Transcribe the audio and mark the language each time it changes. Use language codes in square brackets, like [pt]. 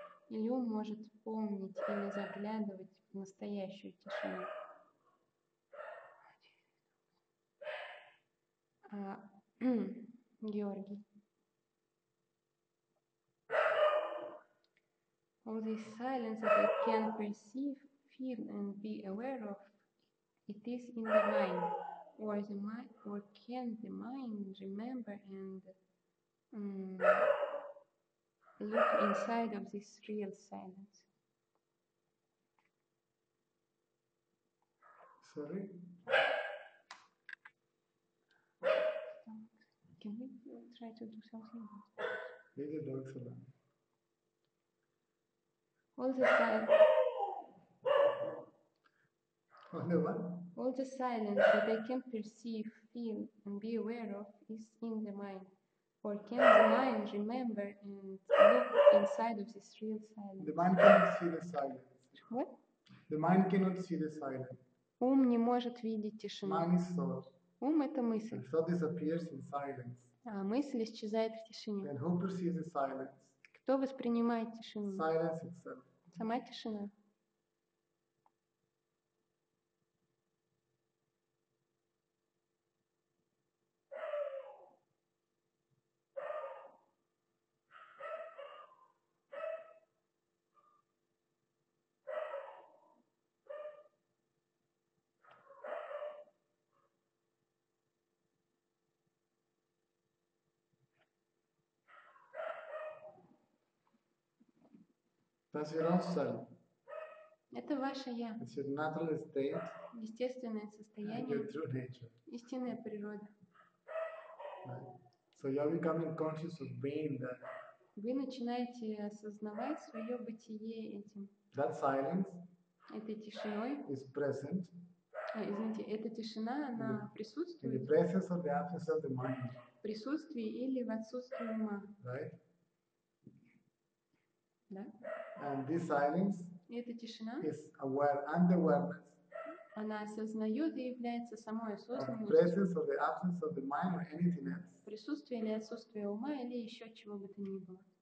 [ru] Или ум может помнить или заглядывать в настоящую тишину. Георгий. [en] All this silence that I can perceive, feel and be aware of, it is in the mind, or the mind, or can the mind remember and look inside of this real silence? Sorry. Can we try to do something? Leave the dogs alone. All the time. All the silence that I can perceive, feel, and be aware of is in the mind. Or can the mind remember and look inside of this real silence? The mind cannot see the silence. What? The mind cannot see the silence. [ru] Ум не может видеть тишину. [en] Mind is thought. [ru] Ум — это мысль. [en] And thought disappears in silence. [ru] А мысль исчезает в тишине. [en] And who perceives the silence? [ru] Кто воспринимает тишину? [en] Silence itself. [ru] Сама тишина. [en] That's your own self. [ru] Это ваше я. [en] It's your natural state. [ru] Естественное состояние. [en] Your true nature. [ru] Истинная природа. [en] Right. So you're becoming conscious of being that. [ru] Вы начинаете осознавать свое бытие этим. [en] That silence. [ru] Этой тишиной. [en] Is present. [ru] Извините, эта тишина, она присутствует. [en] In the presence or the absence of the mind. [ru] В присутствии или в отсутствии ума. [en] Right. [ru] Да. [en] And this silence [ru] эта тишина, [en] is aware and awareness. [ru] Она осознает и является самой осознанностью. [en] Presence or the absence of the mind or anything else. [ru] Присутствие или отсутствие ума или еще чего бы то ни было.